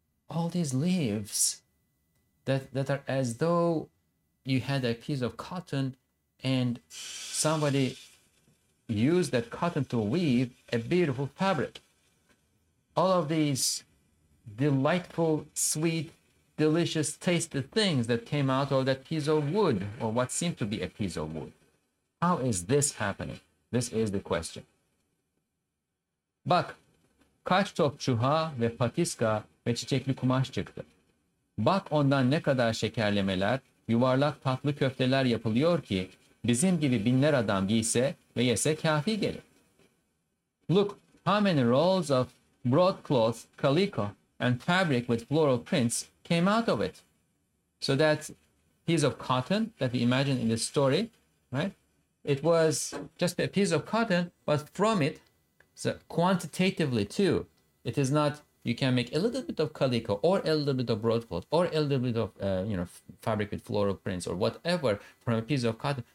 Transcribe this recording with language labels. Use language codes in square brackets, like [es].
[en] All these leaves that are as though you had a piece of cotton and somebody used that cotton to weave a beautiful fabric. All of these delightful, sweet, delicious, tasty things that came out of that piece of wood, or what seemed to be a piece of wood. How is this happening? This is the question. [tr] Bak, kaç top çuha ve patiska ve çiçekli kumaş çıktı. Bak ondan ne kadar şekerlemeler, yuvarlak tatlı köfteler yapılıyor ki bizim gibi binler adam giyse ve yese kâfi gelir. [en] Look, how many rolls of broadcloth, calico, and fabric with floral prints came out of it. So that piece of cotton that we imagine in this story, right? It was just a piece of cotton, but from it, so quantitatively too, it is not, you can make a little bit of calico or a little bit of broadcloth or a little bit of fabric with floral prints or whatever from a piece of cotton.